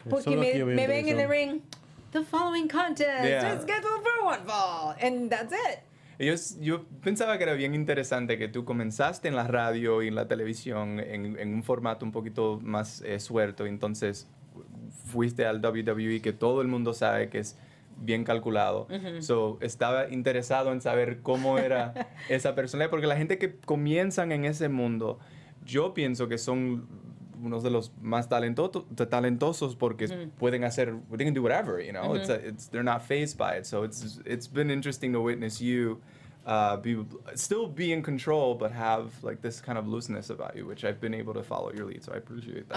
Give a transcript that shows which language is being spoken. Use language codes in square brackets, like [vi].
[es] Porque me ven en el [en] ring, the following contest, just get to the first one fall, and that's it. [es] Yo pensaba que era bien interesante que tú comenzaste en la radio y en la televisión en un formato un poquito más suelto. Entonces, fuiste al WWE, que todo el mundo sabe que es bien calculado. So, estaba interesado en saber cómo era esa personalidad. Porque la gente que comienzan en ese mundo, yo pienso que son unos de los más talentosos porque pueden hacer, [en] they can do whatever, you know, they're not fazed by it. So it's been interesting to witness you still be in control, but have like this kind of looseness about you, which I've been able to follow your lead. So I appreciate that.